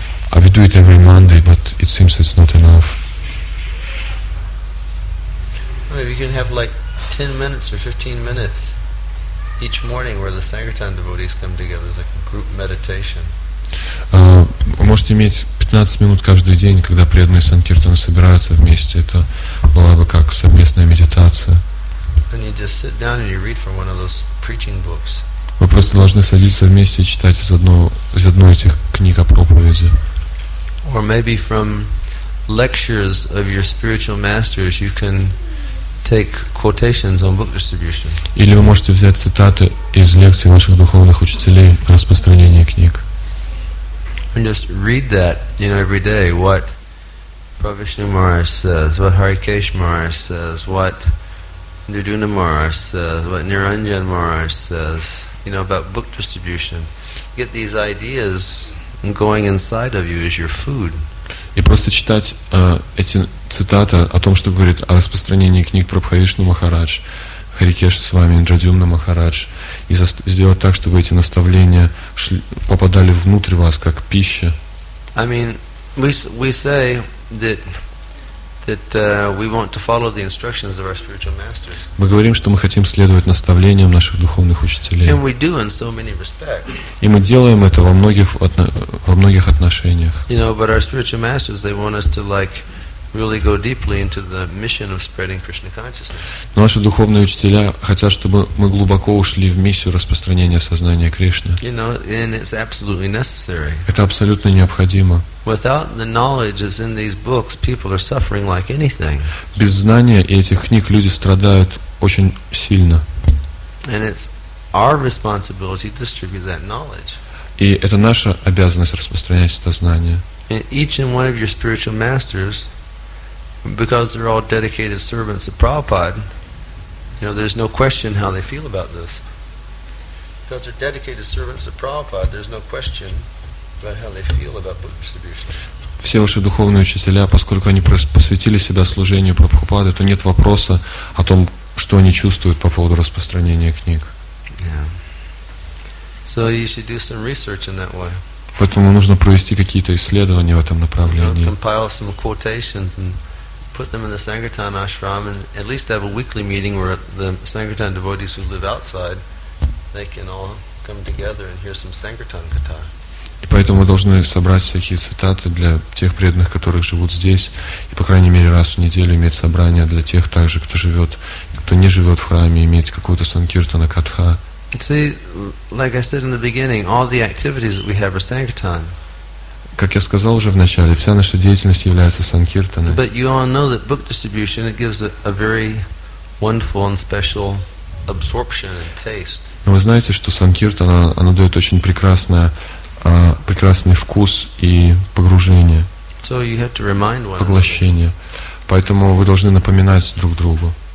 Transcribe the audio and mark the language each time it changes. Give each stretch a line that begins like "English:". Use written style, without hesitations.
English: I would do it every Monday, but it seems it's not enough. Maybe you can have like 10 minutes or 15 minutes each morning where the Sankirtan devotees come together as a group meditation.
Russian: Вы можете иметь 15 минут каждый день, когда преданные санкиртаны собираются вместе. Это была бы как совместная медитация.
English: And you just sit down and you read from one of those preaching books.
Russian: Вы просто должны садиться вместе и читать из одной этих книг о проповеди.
English: Or maybe from lectures of your spiritual masters, you can take quotations on book distribution.
Russian: Или вы можете взять цитаты из лекций наших духовных учителей о распространении книг.
English: And just read that, you know, every day, what Prabhu Vishnu Maharaj says, what Harikesh Maharaj says, what Nirduna Maharaj says, what Niranjan Maharaj says, you know, about book distribution. Get these ideas going inside of you as your food.
Russian: И просто читать эти цитаты о том, что говорит о распространении книг Прабху Вишну Махарадж, Харикеш с вами, Индрадюмна Махарадж, и сделать так, чтобы эти наставления попадали внутрь вас, как пища.
English: I mean, we say that we want to follow the instructions of our spiritual masters.
Russian: Мы говорим, что мы хотим следовать наставлениям наших духовных учителей.
English: And we do in so many respects.
Russian: И мы делаем это во многих отношениях.
English: You know, but our spiritual masters, they want us to like really go deeply into the mission of spreading Krishna consciousness.
Russian: Наши духовные учителя хотят, чтобы мы глубоко ушли в миссию распространения сознания Кришны.
English: You know, and it's absolutely necessary.
Russian: Это абсолютно необходимо.
English: Without the knowledge that's in these books, people are suffering like anything.
Russian: Без знания этих книг люди страдают очень сильно.
English: And it's our responsibility to distribute that knowledge.
Russian: И это наша обязанность распространять это знание.
English: And each and one of your spiritual masters, because they're all dedicated servants of Prabhupada, you know, there's no question how they feel about this. Because they're dedicated servants of Prabhupada, there's no question about how they feel about book distribution.
Russian: Все ваши духовные учителя, поскольку они посвятили себя служению Прабхупады, то нет вопроса о том, что они чувствуют по поводу распространения книг.
English: So you should do some research in that way.
Russian: Поэтому нужно провести какие-то исследования в этом направлении.
English: Compile some quotations and put them in the Sangirtan ashram, and at least have a weekly meeting where the Sangirtan devotees who live outside, they can all come together and hear some Sangirtan katha.
Russian: И поэтому мы должны собрать всякие цитаты для тех преданных, которые живут здесь, и по крайней мере раз в неделю иметь собрание для тех также, кто живет, кто не живет в храме, иметь какую-то Сангиртана катха.
English: See, like I said in the beginning, all the activities that we have are sankirtan.
Russian: Как я сказал уже в начале, вся наша деятельность является санкиртаной.
English: But you all know that book distribution it gives a very wonderful and special absorption and taste.
Russian: Но вы знаете, что санкиртана она дает очень прекрасное прекрасный вкус и погружение.
English: So you have to remind one.
Russian: Поглощение. Поэтому вы должны напоминать друг другу.